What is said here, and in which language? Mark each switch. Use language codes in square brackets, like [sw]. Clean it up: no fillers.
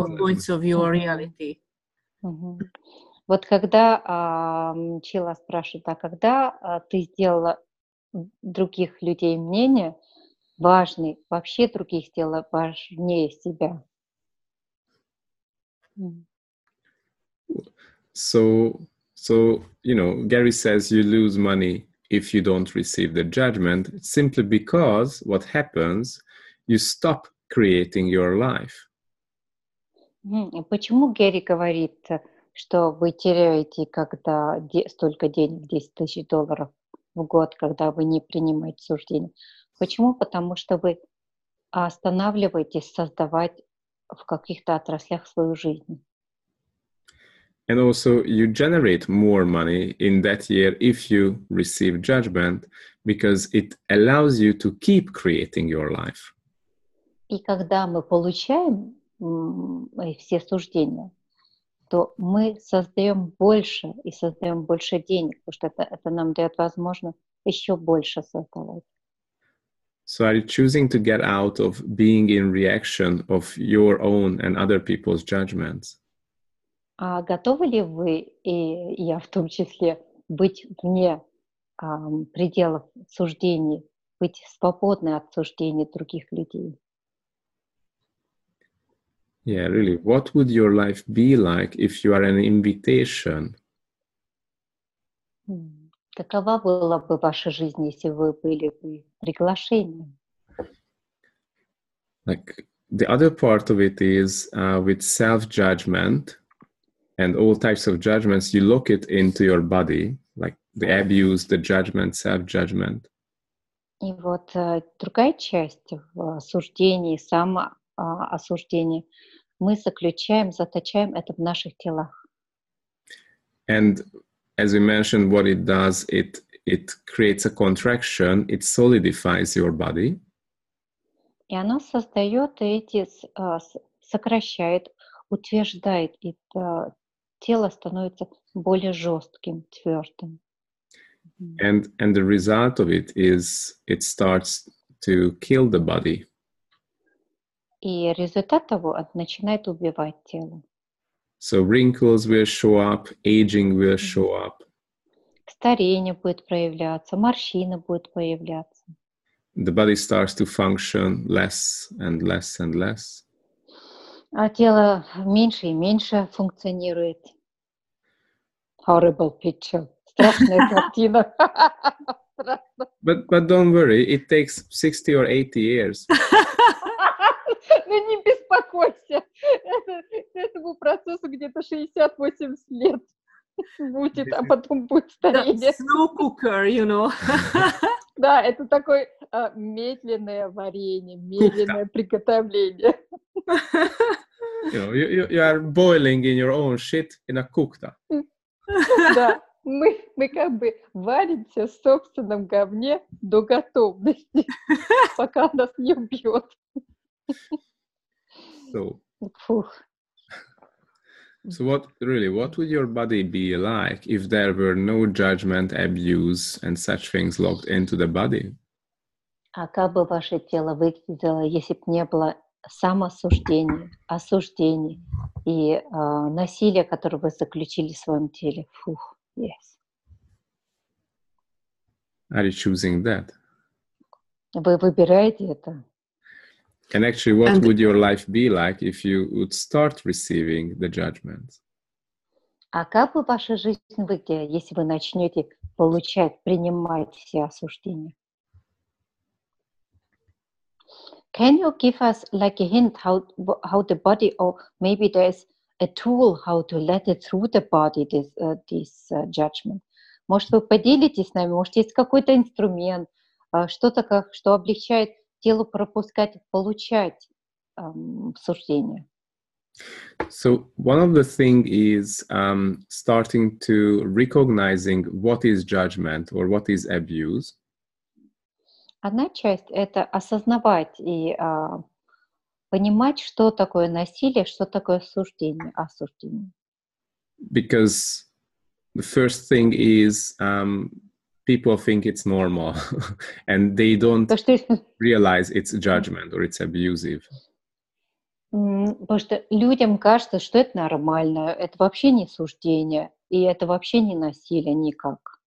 [en] or points of view or reality. [ru] Вот когда Чила спрашивает, а когда ты сделала других людей мнение важный, вообще других сделала важнее себя? [en] So you know, Gary says you lose money if you don't receive the judgment, simply because what happens, you stop creating your life. [ru] Почему Гэри говорит, что вы теряете когда столько денег, $10,000 в год, когда вы не принимаете суждения? Почему? Потому что вы останавливаетесь создавать в каких-то отраслях свою жизнь. [en] And also, you generate more money in that year if you receive judgment, because it allows you to keep creating your life. [ru] И когда мы получаем все суждения, то мы создаем больше и создаем больше денег, потому что это нам дает возможность еще больше создавать. [en] So are you choosing to get out of being in reaction of your own and other people's judgments? [ru] А готовы ли вы, и я в том числе, быть вне пределов суждений, быть свободны от суждений других людей? [en] Yeah, really. What would your life be like if you are an invitation? [ru] Какова была бы ваша жизнь, если вы были бы приглашением? [en] Like the other part of it is with self-judgment and all types of judgments, you lock it into your body, like the abuse, the judgment, self-judgment. [ru] И вот другая часть в осуждении, самоосуждении, мы заключаем, заточаем это в наших телах. [en] And as we mentioned, what it does, it creates a contraction, it solidifies your body. [ru] И оно создает эти, сокращает, утверждает, и тело становится более жестким, твердым. [en] And the result of it is it starts to kill the body. [ru] И результат того, он начинает убивать тело. [en] So wrinkles will show up, aging will show up. [ru] Старение будет проявляться, морщины будут появляться. [en] The body starts to function less and less and less. [ru] А тело меньше и меньше функционирует. [en] Horrible picture. [ru] Страшная картина. [en] But don't worry, it takes 60 or 80 years. [ru] Ну не беспокойся. Этому процессу где-то 60-80 лет будет, а потом будет старение. [en] Snow cooker, you know. [ru] Да, это такое медленное варенье, медленное приготовление. [en] You are boiling in your own shit in a kukta. [ru] Да, мы как бы варимся в собственном говне до готовности, пока нас не убьет. [en] So what would your body be like if there were no judgment, abuse and such things locked into the body? [ru] А как бы ваше тело выглядело, если бы не было самоосуждения, осуждений и насилия, которое вы заключили в своем теле? [en] Фух, yes. Are you choosing that? [ru] Вы выбираете это? [en] And actually, what would your life be like if you would start receiving the judgments? [ru] А как бы ваша жизнь выглядела, если вы начнете получать, принимать все осуждения? [en] Can you give us like a hint how the body, or maybe there's a tool how to let it through the body this judgment? [ru] Может, вы поделитесь с нами? Может, есть какой-то инструмент, что-то, как что облегчает телу пропускать, получать суждения? [en] So one of the thing is starting to recognizing what is judgment or what is abuse. [ru] Одна часть — это осознавать и понимать, что такое насилие, что такое суждение, осуждение. [en] Because the first thing is people think it's normal and they don't realize it's judgment or it's abusive. [ru] Потому что людям кажется, что это нормально, это вообще не суждение, и это вообще не насилие никак.